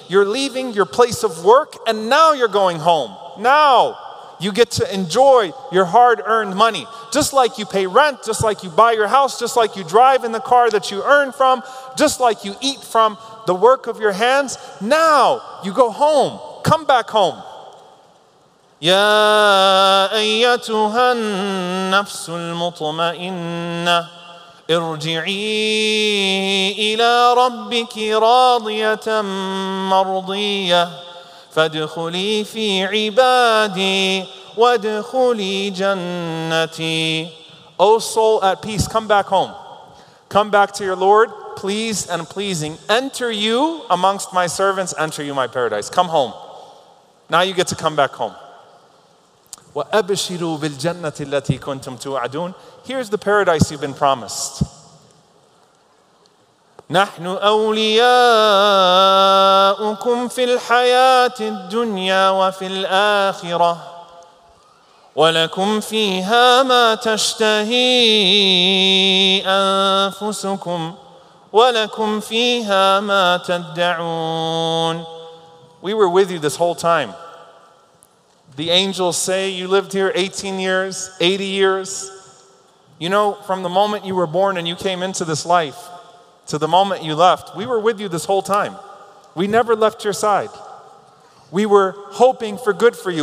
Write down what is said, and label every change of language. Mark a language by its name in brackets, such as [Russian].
[English] You're leaving your place of work and now you're going home. Now you get to enjoy your hard-earned money. Just like you pay rent, just like you buy your house, just like you drive in the car that you earn from, just like you eat from the work of your hands, now you go home. Come back home. [Arabic] يَا أَيَّتُهَا النَّفْسُ الْمُطْمَئِنَّةِ ارجعي إلى ربك راضية مرضية فادخلي في عبادي وادخلي جنتي. [English] O soul at peace, come back home. Come back to your Lord, pleased and pleasing. Enter you amongst my servants, enter you my paradise. Come home. Now you get to come back home. [Arabic] وَأَبْشِرُوا بِالْجَنَّةِ الَّتِي كُنْتُمْ تُوَعَدُونَ. [English] Here's the paradise you've been promised. [Arabic] نحن أولياؤكم في الحياة الدنيا وفي الآخرة ولكم فيها ما تشتهي أنفسكم ولكم فيها ما تدعون. [English] We were with you this whole time. The angels say you lived here 18 years, 80 years. You know, from the moment you were born and you came into this life, to the moment you left, we were with you this whole time. We never left your side. We were hoping for good for you.